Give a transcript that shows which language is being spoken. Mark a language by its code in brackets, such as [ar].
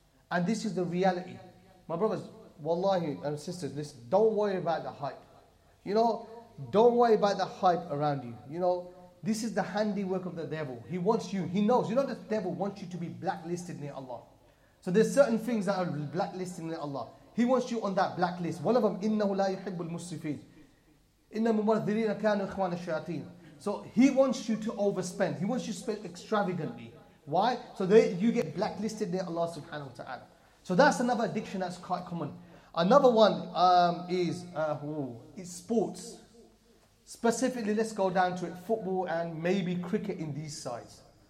[en] And this is the reality. My brothers, wallahi, and sisters, listen, don't worry about the hype. You know, don't worry about the hype around you. You know, this is the handiwork of the devil. He wants you, he knows. You know, the devil wants you to be blacklisted near Allah. So there's certain things that are blacklisted near Allah. He wants you on that blacklist. One of them, [ar] إِنَّهُ لَا يُحِبُّ الْمُسْرِفِينَ إِنَّ مُمَرْضِرِينَ كَانُوا إِخْوَانَ الشَّيَاطِينَ. [en] So he wants you to overspend. He wants you to spend extravagantly. Why? So they, you get blacklisted near Allah subhanahu wa ta'ala. So that's another addiction that's quite common. Another one is sports. Specifically, let's go down to it. Football and maybe cricket in these sides.